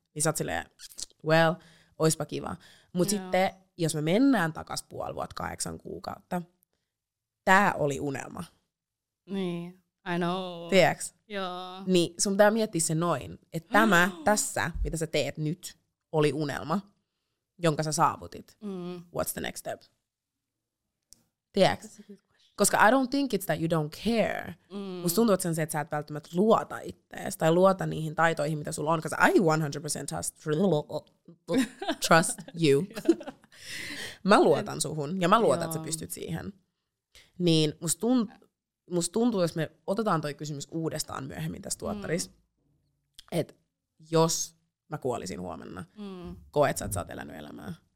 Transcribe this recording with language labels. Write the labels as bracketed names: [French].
[Finnish] Niin sä oot silleen, well, oispa kiva. Mutta sitten jos me mennään takas puoli vuotta 8 kuukautta, tää oli unelma. [English] Niin, I know. [Finnish] Tiedäks? Joo. Niin sun pitää miettiä se noin, että tämä tässä, mitä sä teet nyt, oli unelma, jonka sä saavutit. [English] What's the next step? Tiedäks? Koska I don't think it's that you don't care. [Finnish] Musta tuntuu, että sen se, että sä et välttämättä luota ittees, tai luota niihin taitoihin, mitä sulla on, koska [English] I 100% trust you. [Finnish] Mä luotan suhun, ja mä luotan, että sä pystyt siihen. Niin musta tuntuu, jos me otetaan toi kysymys uudestaan myöhemmin tässä tuottarissa, että jos mä kuolisin huomenna, koet sä, että sä oot elänyt elämää?